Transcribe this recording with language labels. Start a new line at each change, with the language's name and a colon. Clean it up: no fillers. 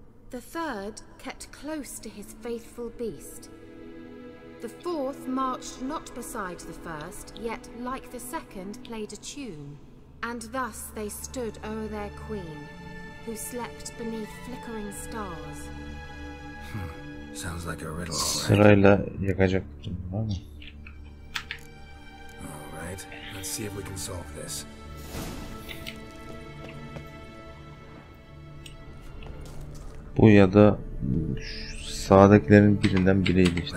English: The third kept close to his faithful beast. The fourth marched not beside the first, yet, like the second, played a tune. And thus they stood o'er their queen, who slept beneath flickering stars. Sounds like a riddle, alright.
Turkish: Sırayla yakacak, değil mi?
English: Alright, let's see if we can solve this.
Turkish: Bu ya da sağdakilerin birinden biriydi işte.